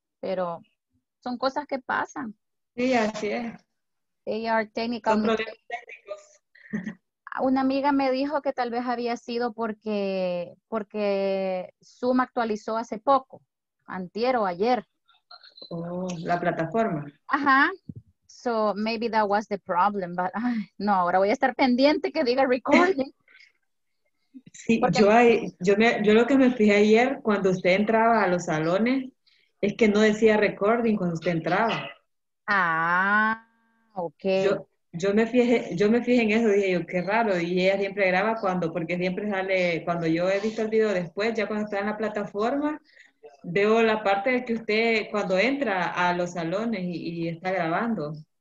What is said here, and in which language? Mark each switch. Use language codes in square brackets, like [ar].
[es] Pero son cosas que pasan. Sí, así es. [en] They are technical. [es] Son problemas técnicos. Una amiga me dijo que tal vez había sido porque Zoom actualizó hace poco, antier o ayer. Oh, la plataforma. Ajá. [en] So maybe that was the problem, but no, [es] ahora voy a estar pendiente que diga [en] recording. [es] Sí, yo lo que me fijé ayer cuando usted entraba a los salones es que no decía recording cuando usted entraba. Ah, ok. Yo me fijé en eso, dije yo, qué raro, y ella siempre graba cuando, porque siempre sale, cuando yo he visto el video después, ya cuando está en la plataforma, veo la parte de que usted, cuando entra a los salones y está grabando.